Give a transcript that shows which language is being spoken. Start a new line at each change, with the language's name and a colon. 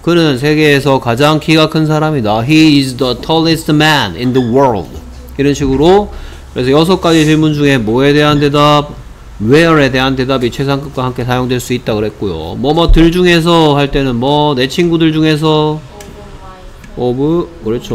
Korean: 그는 세계에서 가장 키가 큰 사람이다.
English: He is the tallest man in the world.
Korean: 이런 식으로. 그래서 여섯 가지 질문 중에 뭐에 대한 대답, where에 대한 대답이 최상급과 함께 사용될 수 있다 그랬고요. 뭐뭐들 중에서 할 때는 뭐 내 친구들 중에서 of 그렇죠.